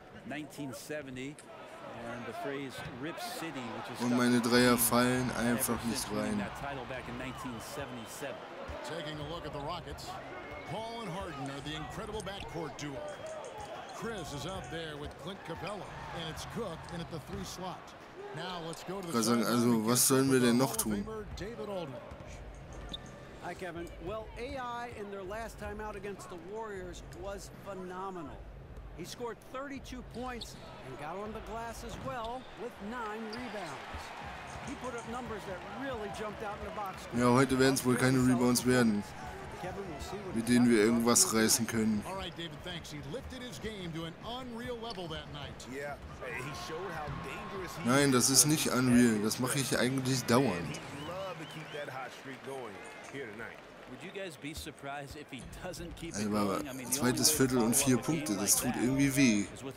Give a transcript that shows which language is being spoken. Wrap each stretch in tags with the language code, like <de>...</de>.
<en>1970 and the phrase Rip City, which is</en> <de>und meine Dreier fallen einfach nicht rein.</de> <en>Taking a look at the Rockets, Paul and Harden are the incredible backcourt duo. Chris is out there with Clint Capella, and it's Cook in at the three slot. Now let's go to the side.</en> <de>Also, was sollen wir denn noch tun?</de> <en>David Aldridge. Hi, Kevin. Well, AI in their last time out against the Warriors was phenomenal. He scored 32 points and got on the glass as well with 9 rebounds. He put up numbers that really jumped out in the box.</en> <de>Ja, heute werden es wohl keine Rebounds werden, mit denen wir irgendwas reißen können.</de> <en>All right, David, thanks. He lifted his game to an unreal level that night. Yeah, he showed how dangerous he is.</en> <de>Nein, das ist nicht unreal. Das mache ich eigentlich dauernd.</de> <en>He'd love to keep that hot streak going here tonight. Would you guys be surprised if he doesn't keep it going?</en> <de>Zweites Viertel und 4 Punkte, das tut irgendwie weh.</de>